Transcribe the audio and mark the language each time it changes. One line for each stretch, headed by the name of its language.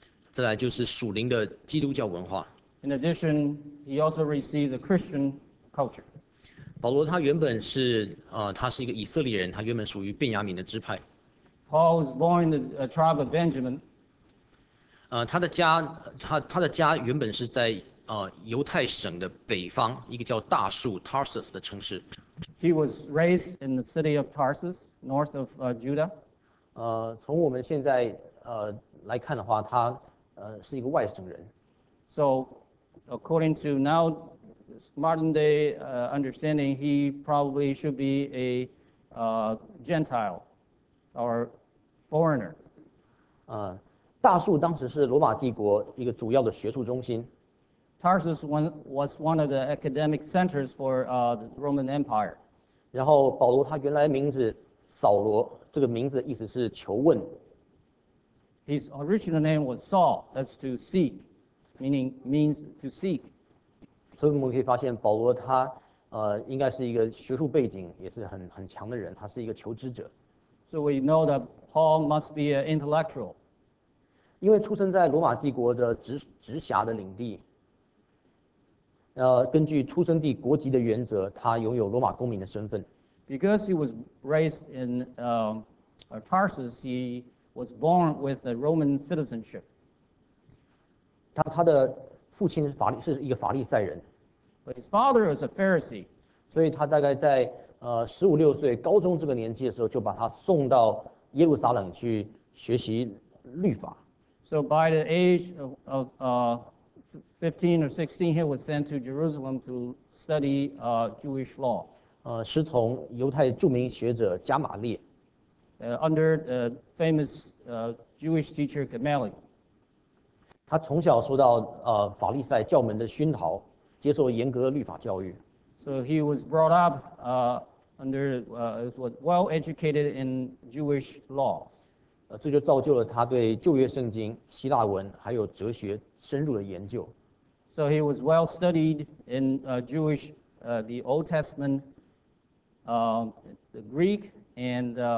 Chinese: 再来就是属灵的基督教文化。
English: In addition, he also received the Christian culture.
Chinese: 保罗他原本是他是一个以色列人，他原本属于便雅悯的支派。
English: Paul was born in the tribe of Benjamin.
Chinese: 他的家原本是在犹太省的北方一个叫大树 Tarsus 的城市。
English: He was raised in the city of Tarsus, north of Judah.
Chinese: 从我们现在来看的话，他是一个外省人。
English: So, according to now modern day understanding, he probably should be a Gentile or foreigner.
Chinese: 大树当时是罗马帝国一个主要的学术中心。
English: Tarsus was one of the academic centers for the Roman Empire.
Chinese: 然后保罗他原来名字扫罗，这个名字的意思是求问。
English: His original name was Saul, that's to seek, means to seek.
Chinese: 所以我们可以发现保罗他应该是一个学术背景也是很强的人，他是一个求知者。
English: So we know that Paul must be an intellectual.
Chinese: 因为出生在罗马帝国的直辖的领地，根据出生地国籍的原则，他拥有罗马公民的身份。
English: Because he was raised in Tarsus, he was born with a Roman citizenship.
Chinese: 他的父亲是一个法利赛人。
English: But his father was a Pharisee.
Chinese: 所以他大概在十五六岁高中这个年纪的时候，就把他送到耶路撒冷去学习律法。
English: So by the age of 15 or 16, he was sent to Jerusalem to study Jewish law.
Chinese: 师从犹太著名学者加马列。
English: Under the famous Jewish teacher Gamaliel.
Chinese: 他从小受到法利赛教门的熏陶，接受严格的律法教育。
English: So he was brought up under well educated in Jewish laws.
Chinese: 这就造就了他对旧约圣经、希腊文还有哲学深入的研究。
English: So he was well studied in Jewish, the Old Testament, the Greek, and